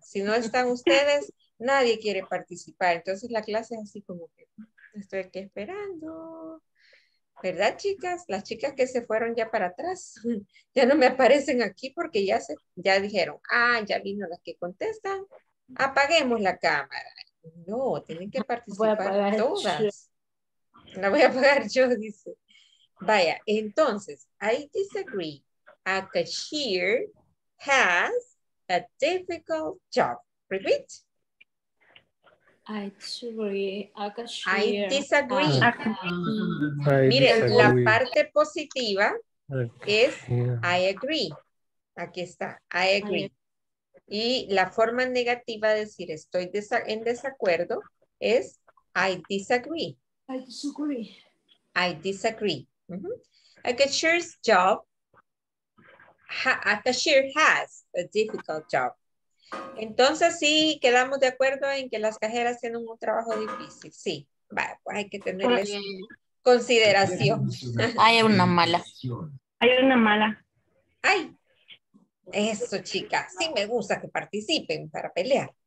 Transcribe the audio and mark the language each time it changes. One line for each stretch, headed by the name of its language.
Spanish: Si no están ustedes, nadie quiere participar. Entonces la clase es así como que estoy aquí esperando. ¿Verdad, chicas? Las chicas que se fueron ya para atrás, ya no me aparecen aquí porque ya se, ya dijeron, ah, ya vino las que contestan, apaguemos la cámara. No, tienen que participar todas. La voy a apagar yo, dice. Vaya, entonces,
English: I disagree. A cashier has a difficult job. Repeat. I disagree. I disagree.
Spanish: Mire, la parte positiva es
English: I agree.
Spanish: Aquí está,
English: I agree.
Spanish: Y la forma negativa de decir estoy en desacuerdo es
English: I disagree. I disagree. I disagree. Mm-hmm. A cashier's job, a cashier has a difficult job.
Spanish: Entonces sí, quedamos de acuerdo en que las cajeras tienen un trabajo difícil. Sí, va, pues hay que tenerles consideración. Hay una mala. Hay una mala. Ay, eso, chica. Sí me gusta que participen para pelear.